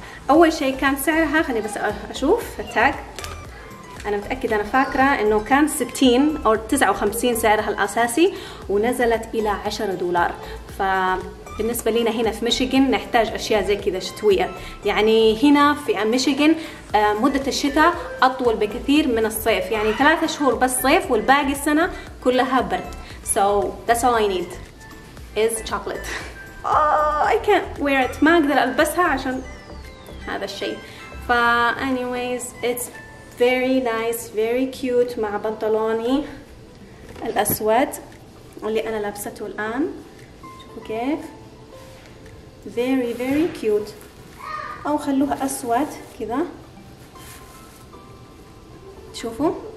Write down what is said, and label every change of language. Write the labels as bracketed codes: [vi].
[ar] اول شيء كان سعرها، خليني بس اشوف التاج، انا متأكدة انا فاكرة انه كان 60 او 59 سعرها الاساسي ونزلت الى $10. ف بالنسبة لنا هنا في ميشيغن نحتاج أشياء زي كذا شتوية، يعني هنا في ميشيغن مدة الشتاء أطول بكثير من الصيف، يعني 3 شهور بس صيف والباقي السنة كلها برد. [en] So that's all I need is chocolate. Oh, I can't wear it، [ar] ما أقدر ألبسها عشان هذا الشيء. ف [en] anyways it's very nice very cute [ar] مع بنطلوني الأسود اللي أنا لابسته الآن، شوفوا كيف [en] very very cute، [ar] او خلوها اسود كذا تشوفوا.